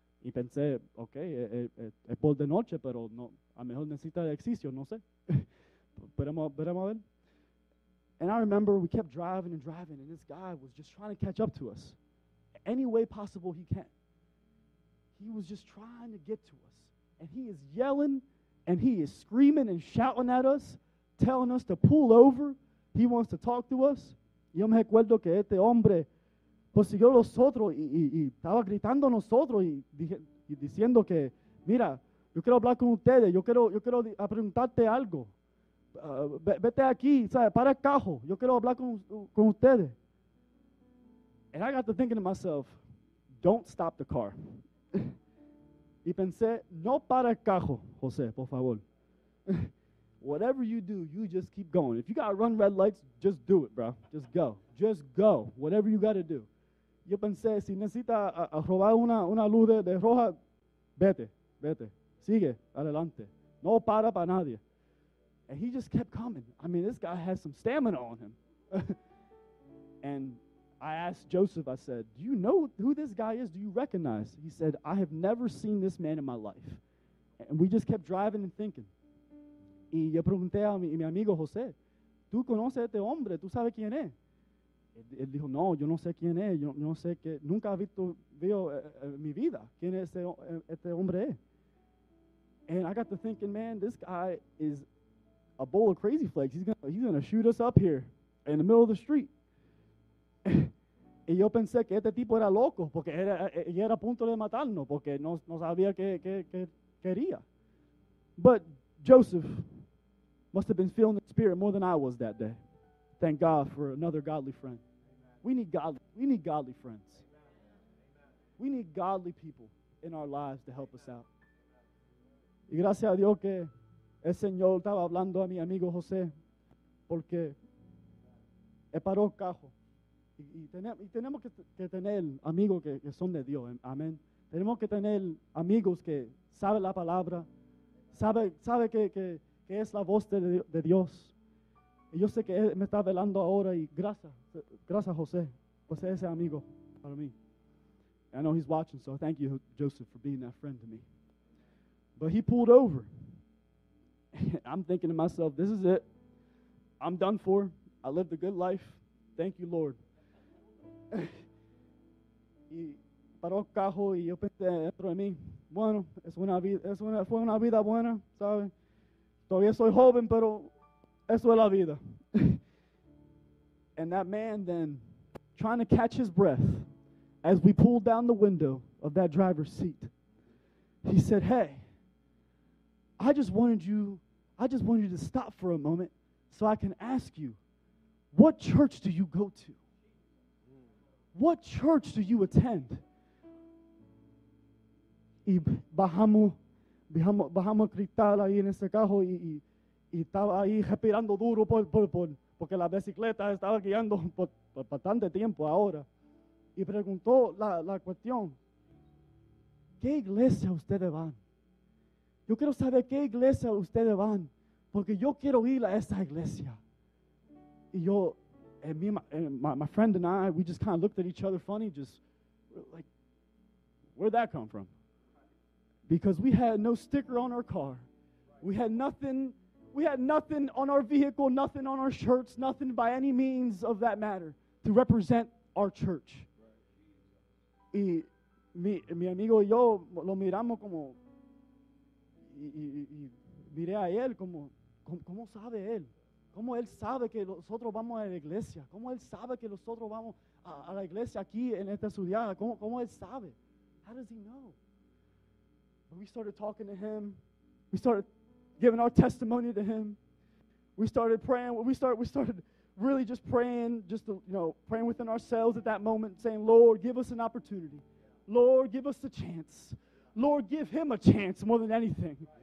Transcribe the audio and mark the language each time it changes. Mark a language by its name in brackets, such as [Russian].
[Spanish] Y pensé, ok, es por de noche, pero no, a lo mejor necesita ejercicio, no sé. Veremos a ver. [English] And I remember we kept driving and driving, and this guy was just trying to catch up to us any way possible he can. He was just trying to get to us. And he is yelling, and he is screaming and shouting at us, telling us to pull over. He wants to talk to us. [Spanish] Yo me acuerdo que este hombre consiguió nosotros y estaba gritando a nosotros y diciendo que, mira, yo quiero hablar con ustedes, yo quiero preguntarte algo. Vete aquí, ¿sabes? Para el cajo, yo quiero hablar con ustedes. [English] And I got to thinking to myself, don't stop the car. [Spanish] Y pensé, no para el cajo, José, por favor. [English] Whatever you do, you just keep going. If you got to run red lights, just do it, bro. Just go, whatever you got to do. [Spanish] Yo pensé, si necesita a robar una luz de roja, vete, sigue, adelante. No para para nadie. [English] And he just kept coming. I mean, this guy has some stamina on him. And I asked Joseph, I said, do you know who this guy is? Do you recognize? He said, I have never seen this man in my life. And we just kept driving and thinking. [Spanish] Y yo pregunté a mi amigo José, ¿tú conoces a este hombre? ¿Tú sabes quién es? Él dijo, no, yo no sé quién es, yo no sé que nunca he visto mi vida, quién es este hombre. [English] And I got to thinking, man, this guy is a bowl of crazy flakes. He's gonna shoot us up here in the middle of the street. [Spanish] Y yo pensé que este tipo era loco, porque era a punto de matarnos, porque no sabía qué quería. [English] But Joseph must have been feeling the spirit more than I was that day. Thank God for another godly friend. We need godly friends. We need godly people in our lives to help us out. [Spanish] Y gracias a Dios que el Señor estaba hablando a mi amigo José, porque él paró el cajo. Y tenemos que tener amigos que son de Dios. Amén. Tenemos que tener amigos que saben la palabra, sabe que es la voz de Dios. Y yo sé que él me está velando ahora y gracias José, José ese amigo para mí. [English] And I know he's watching, so thank you, Joseph, for being that friend to me. But he pulled over. I'm thinking to myself, this is it. I'm done for. I lived a good life. Thank you, Lord. [Spanish] Y paró el cajo y yo pensé dentro de mí, bueno, fue una vida buena, ¿sabes? Todavía soy joven, pero eso es la vida. [English] And that man then, trying to catch his breath as we pulled down the window of that driver's seat, he said, hey, I just wanted you to stop for a moment so I can ask you, what church do you go to? What church do you attend? [Spanish] Y bajamos cristal ahí en ese cajo y estaba ahí respirando duro porque la bicicleta estaba guiando por bastante tiempo ahora. Y preguntó la cuestión, ¿qué iglesia ustedes van? Yo quiero saber qué iglesia ustedes van, porque yo quiero ir a esa iglesia. Y yo, [English] and me and my friend and I, we just kind of looked at each other funny, just like, where'd that come from? Because we had no sticker on our car. We had nothing. We had nothing on our vehicle, nothing on our shirts, nothing by any means of that matter to represent our church. [Spanish] Y mi amigo y yo lo miramos como, y miré a él como, ¿cómo sabe él? ¿Cómo él sabe que nosotros vamos a la iglesia? ¿Cómo él sabe que nosotros vamos a la iglesia aquí en esta ciudad? ¿Cómo él sabe? [English] How does he know? But we started talking to him. We started giving our testimony to him. We started praying. We started really just praying, just to, you know, praying within ourselves at that moment, saying, Lord, give us an opportunity. Lord, give us a chance. Lord, give him a chance more than anything.